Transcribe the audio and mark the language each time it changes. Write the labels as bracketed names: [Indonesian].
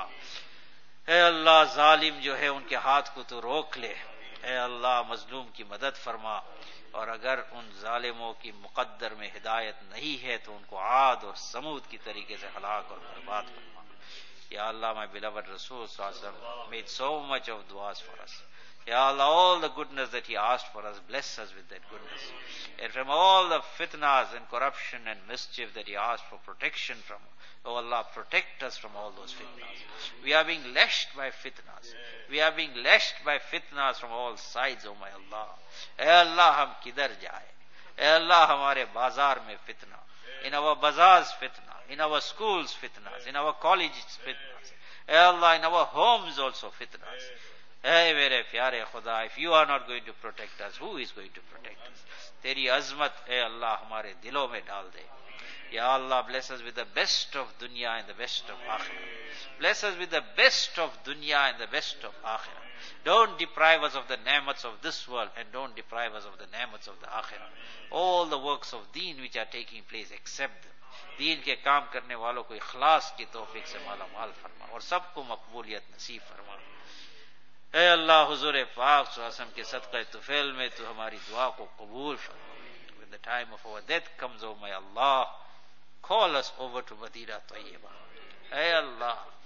[Urdu] اے اللہ, ظالم جو ہے ان کے ہاتھ کو تو روک لے. اے اللہ, مظلوم کی مدد فرما, اور اگر ان ظالموں کی مقدر میں ہدایت نہیں ہے تو ان کو عاد اور ثمود کی طریقے سے ہلاک اور برباد فرما. [English] یا Allah, my beloved رسول [Arabic] صلی اللہ علیہ وسلم [English] made so much of duas for us. Ya Allah, all the goodness that he asked for us, bless us with that goodness. And from all the fitnas and corruption and mischief that he asked for protection from, oh Allah, protect us from all those fitnas. We are being lashed by fitnas. We are being lashed by fitnas from all sides, oh my Allah. [Urdu] Ay Allah, hum kidhar jaye? Ay Allah, humare bazaar mein fitna. [English] In our bazaars fitna. In our schools fitnas. In our colleges fitnas. Ay Allah, in our homes also fitnas. [Urdu] اے میرے پیارے خدا, [English] if you are not going to protect us, who is going to protect us? [Urdu] تیری عظمت اے اللہ ہمارے دلوں میں ڈال دے. [English] یا Allah, bless us with the best of دنیا and the best of آخرہ. Bless us with the best of دنیا and the best of آخرہ. Don't deprive us of the نعمت of this world and don't deprive us of the نعمت of the آخرہ. All the works of دین which are taking place, accept them. [Urdu] دین کے کام کرنے والوں کو اخلاص کی توفیق سے مالا مال فرما اور سب کو مقبولیت نصیب فرما. اے اللہ, حضور پاک صلی اللہ علیہ وسلم کے صدقہ طفیل میں تو ہماری دعا کو قبول فرما. [English] When the time of our death comes, oh my Allah, call us over to Medina طیبہ. اے Allah,